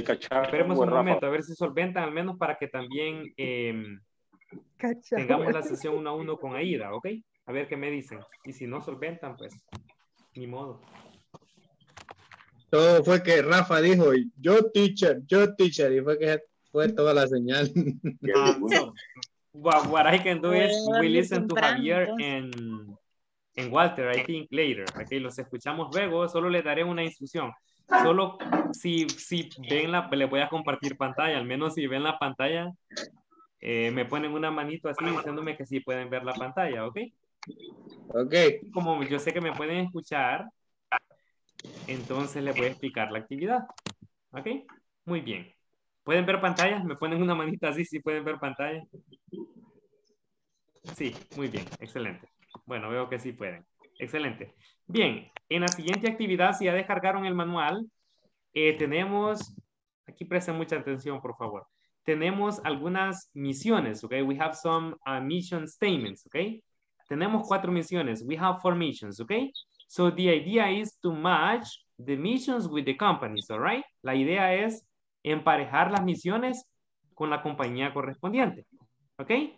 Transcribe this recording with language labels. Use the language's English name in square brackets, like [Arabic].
[Spanish] Esperemos un momento, a ver si solventan, al menos para que también tengamos la sesión 1-1 con Aida, ¿ok? A ver qué me dicen. Y si no solventan, pues, ni modo. Todo fue que Rafa dijo, yo teacher, y fue que fue toda la señal. [English] What I can do is we listen to Javier and Walter, I think, later. [Spanish] Okay, los escuchamos luego, solo les daré una instrucción. Solo si ven la, les voy a compartir pantalla, al menos si ven la pantalla, me ponen una manito así diciéndome que sí pueden ver la pantalla, ¿ok? Ok. Como yo sé que me pueden escuchar, entonces les voy a explicar la actividad, ¿ok? Muy bien. ¿Pueden ver pantalla? ¿Me ponen una manita así si pueden ver pantalla? Sí, muy bien, excelente. Bueno, veo que sí pueden. Excelente. Bien, en la siguiente actividad, si ya descargaron el manual, tenemos, aquí presten mucha atención, por favor. [English] Tenemos algunas misiones, ¿ok? We have some mission statements, ¿ok? Tenemos 4 misiones. We have 4 missions, ¿ok? So the idea is to match the missions with the companies, all right? [Spanish] La idea es emparejar las misiones con la compañía correspondiente, ¿ok?